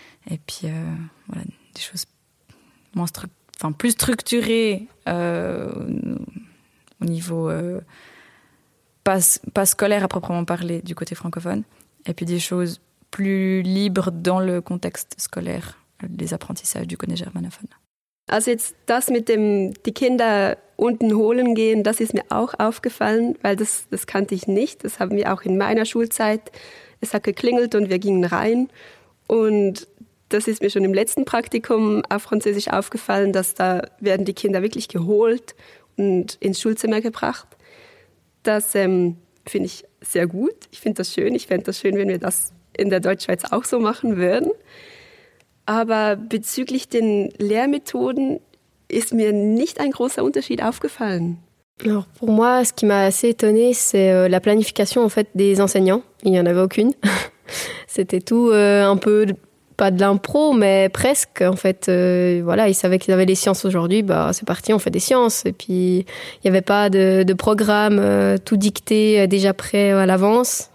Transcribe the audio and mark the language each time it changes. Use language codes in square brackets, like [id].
[fr] Et puis, voilà, des choses plus structurées au niveau... Pas scolaire à proprement parler du côté francophone, et puis des choses plus libres dans le contexte scolaire, les apprentissages du côté germanophone. [de] Also jetzt das mit dem, die Kinder unten holen gehen, das ist mir auch aufgefallen, weil das kannte ich nicht. Das haben wir auch in meiner Schulzeit. Es hat geklingelt und wir gingen rein. Und das ist mir schon im letzten Praktikum auf Französisch aufgefallen, dass da werden die Kinder wirklich geholt und ins Schulzimmer gebracht. Das finde ich sehr gut. Ich finde das schön. Ich fände das schön, wenn wir das in der Deutschschweiz auch so machen würden. Aber bezüglich den Lehrmethoden ist mir nicht ein großer Unterschied aufgefallen. [fr] Alors pour moi, ce qui m'a assez étonné, c'est la planification en fait des enseignants. Il n'y en avait aucune. C'était tout un peu, pas de l'impro, mais presque. En fait, voilà, ils savaient qu'ils avaient les sciences aujourd'hui. Bah, c'est parti, on fait des sciences. Et puis, il n'y avait pas de programme tout dicté déjà prêt à l'avance.